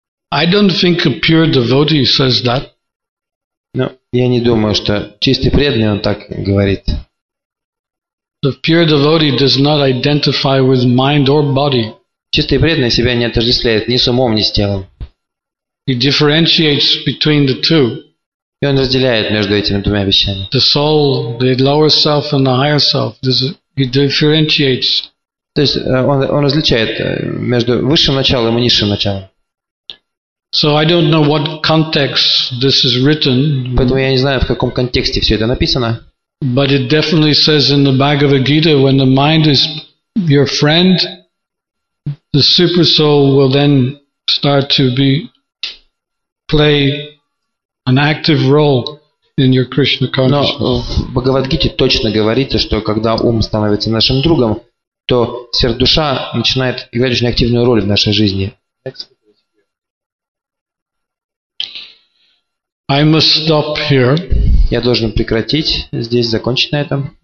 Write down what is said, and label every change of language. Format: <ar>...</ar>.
<en>I don't think a pure devotee says that.</en> <ru>No, я не думаю, что чистый преданный он так говорит.</ru> <en>The pure devotee does not identify with mind or body.</en> <ru>Чистый преданный себя не отождествляет ни с умом, ни с телом.</ru> <en>He differentiates between the two.</en> <ru>И он разделяет между этими двумя вещами.</ru> <en>The soul, the lower self and the higher self. He differentiates.</en> <ru>То есть он различает между высшим началом и низшим началом.</ru> <en>So I don't know what context this is written.</en> <ru>Поэтому я не знаю, в каком контексте все это написано.</ru> <en>But it definitely says in the Bhagavad Gita, when the mind is your friend, the super soul will then start to be play an active role in your Krishna consciousness.</en> <ru>Но в Бхагавад Гите точно говорится, что когда ум становится нашим другом, то сердуша начинает играть очень активную роль в нашей жизни.</ru> <en>I must stop here.</en> <ru>Я должен прекратить здесь, закончить на этом.</ru>